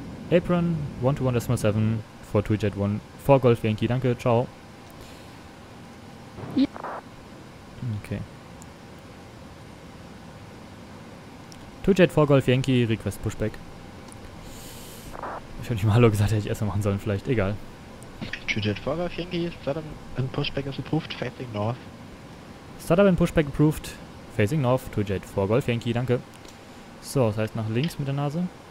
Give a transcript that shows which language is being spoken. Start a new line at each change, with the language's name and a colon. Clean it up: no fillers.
English: Apron 121.7 for TwitchJet 1 for Golf Yankee.
German: Danke, ciao. Ja. Okay.
English: TwitchJet 4 Golf Yankee, Request Pushback.
German: Ich hätte nicht mal Hallo gesagt, hätte ich erstmal machen sollen, vielleicht, egal.
English: TwitchJet 4 Golf Yankee, Startup and Pushback is approved, facing north. Startup and Pushback approved, facing north, TwitchJet 4 Golf Yankee, danke.
German: So, das heißt nach links mit der Nase.